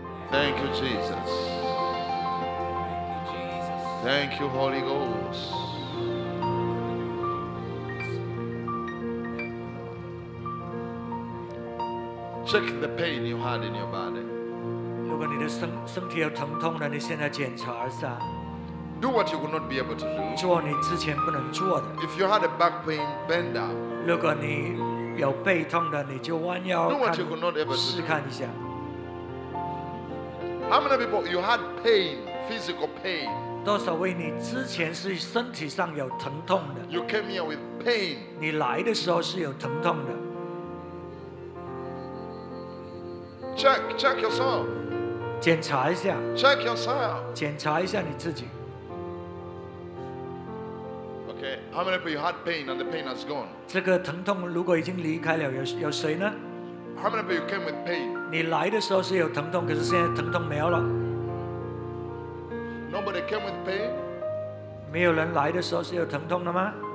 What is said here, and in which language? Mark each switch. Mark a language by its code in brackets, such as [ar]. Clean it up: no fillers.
[en] Thank you, Jesus. Thank you, Holy Ghost. Check the pain you had in your body. [zh] 如果你的身体有疼痛了，你现在检查一下。 [en] Do what you would not be able to do. [zh] 做你之前不能做的。 [en] If you had a back pain, bend down. [zh] 如果你有背痛的，你就弯腰。 [en] Do what you could not ever do. [zh] 试看一下。 [en] How many people you had pain, physical pain? [zh] 多少位你之前是身体上有疼痛的？ [en] You came here with pain. [zh] 你来的时候是有疼痛的。 [en] Check yourself. [zh] 检查一下。 [en] Check yourself. [zh] 检查一下你自己。 [en] Okay, how many people you had pain and the pain has gone? [zh] 这个疼痛如果已经离开了，有谁呢？ [en] How many people you came with pain? [zh] 你来的时候是有疼痛，可是现在疼痛没有了。 [en] Nobody came with pain? [zh] 没有人来的时候是有疼痛的吗？